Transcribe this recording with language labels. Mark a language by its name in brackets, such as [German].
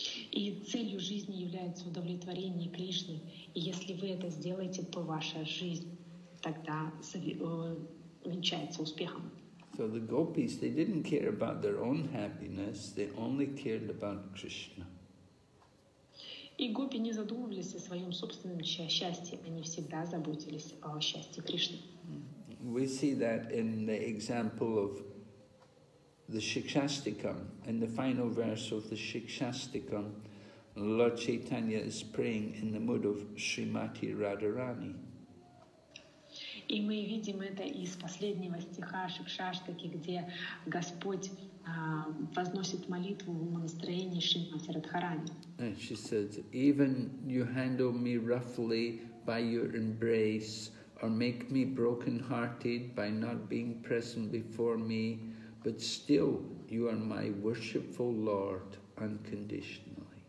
[Russian] И целью жизни является удовлетворение Кришны. И если вы это сделаете, то ваша жизнь тогда увенчается успехом. [English] So the gopis, they didn't care about their own happiness, they only cared about Krishna. [Russian] И гопи не задумывались о своем собственном счастье, они всегда заботились о счастье Кришны. [English] We see that in the example of the Shikshastikam. In the final verse of the Shikshastikam, Lord Chaitanya is praying in the mood of Srimati Radharani. [Russian] И мы видим это из последнего стиха Шикшаштаки, где Господь возносит молитву в настроении Шримати Радхарани. [English] She says, even you handle me roughly by your embrace, or make me broken-hearted by not being present before me, but still you are my worshipful Lord unconditionally.